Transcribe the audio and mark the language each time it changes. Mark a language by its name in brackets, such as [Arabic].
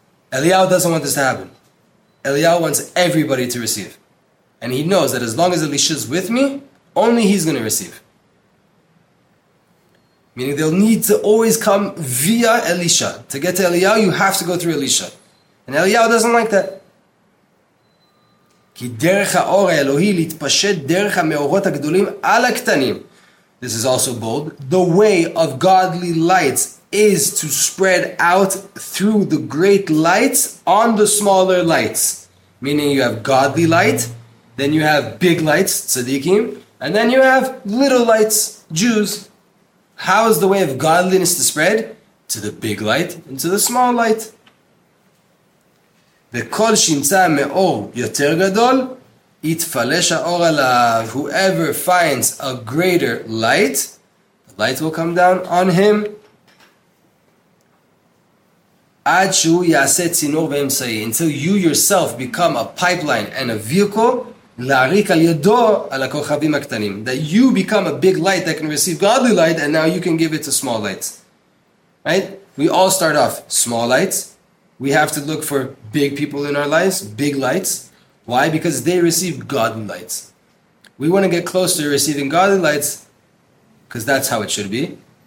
[English] Eliyahu doesn't want this to happen. Eliyahu wants everybody to receive. And he knows that as long as Elisha's with me, only he's going to receive. Meaning they'll need to always come via Elisha. To get to Eliyahu, you have to go through Elisha. And Eliyahu doesn't like that. [Hebrew] כי דרך האור האלוהי להתפשט דרך המאורות הגדולים על הקטנים. [English] This is also bold. The way of godly lights is to spread out through the great lights on the smaller lights. Meaning you have godly light, then you have big lights, tzaddikim, and then you have little lights, Jews. How is the way of godliness to spread? To the big light and to the small light. [Hebrew] וכל שימצא מאור יותר גדול, יתפלש האור עליו. [English] Whoever finds a greater light, the light will come down on him. [Hebrew] עד שהוא יעשה צינור ואמצעי, [English] until you yourself become a pipeline and a vehicle [Hebrew] להעריק על ידו על הכוכבים הקטנים. [English] That you become a big light that can receive godly light and now you can give it to small lights. Right? We all start off small lights. We have to look for big people in our lives, big lights. Why? Because they receive godly lights. We want to get close to receiving godly lights because that's how it should be.